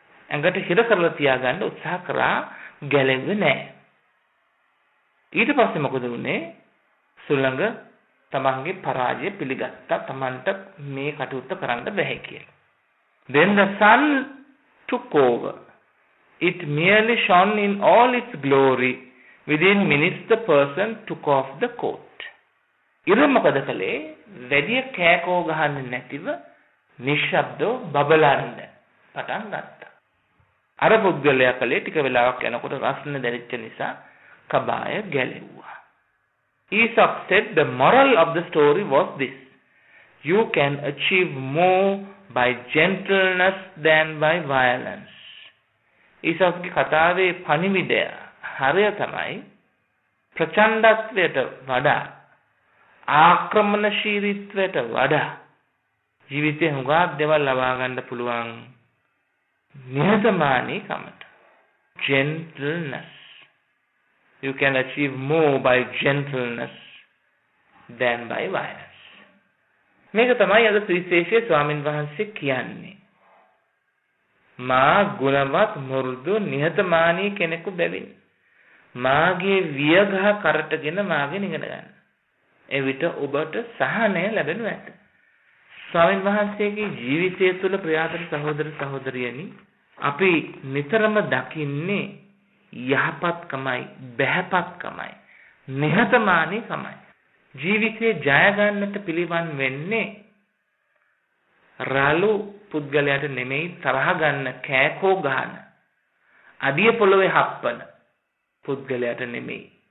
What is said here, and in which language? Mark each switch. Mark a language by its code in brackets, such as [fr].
[si] ඇඟට හිර කරලා තියාගන්න උත්සාහ කරා ගැලෙන්නේ නැහැ ඊට පස්සේ මොකද වුනේ සුළඟ තමන්ගේ පරාජය පිළිගත්තා තමන්ට මේ කටයුත්ත කරන්න බැහැ කියලා. [en] Then the sun took over. It merely shone in all its glory. Within minutes the person took off the coat. [si] ඉර මොකද කළේ? වැඩිය කෑකෝ ගහන්නේ නැතිව නිශ්ශබ්දව බබලන්න පටන් ගත්තා. අර පුද්ගලයා කළේ ටික වෙලාවක් යනකොට රස්න දැරිච්ච නිසා කබාය ගැලෙව්වා. [en] Aesop said the moral of the story was this. You can achieve more by gentleness than by violence. [si] ඊසප්ගේ කතාවේ පණිවිඩය හරය තමයි ප්‍රචණ්ඩත්වයට වඩා ආක්‍රමණශීලීත්වයට වඩා ජීවිතේ හුඟක් දේවල් ලබා ගන්න පුළුවන් නිහතමානීකමට. [en] Gentleness. You can achieve more by gentleness than by violence. [si] මේක තමයි අද ත්‍රිශේෂයේ ස්වාමින් වහන්සේ කියන්නේ. මා ගුණවත් මෘදු නිහතමානී කෙනෙකු බැවින් මාගේ වියගහ කරටගෙන මාගෙන් ඉගෙන ගන්න. එවිට ඔබට සහනය ලැබෙනු ඇත. ස්වාමින් වහන්සේගේ ජීවිතය තුළ ප්‍රයාත සහෝදර සහෝදරියනි අපි නිතරම දකින්නේ යහපත්කමයි බැහැපත්කමයි නිහතමානීකමයි ජීවිතේ ජයගන්නට පිළිවන් වෙන්නේ රළු පුද්ගලයාට නෙමෙයි තරහ ගන්න කෑකෝ ගන්න අදිය පොළවේ හප්පන පුද්ගලයාට නෙමෙයි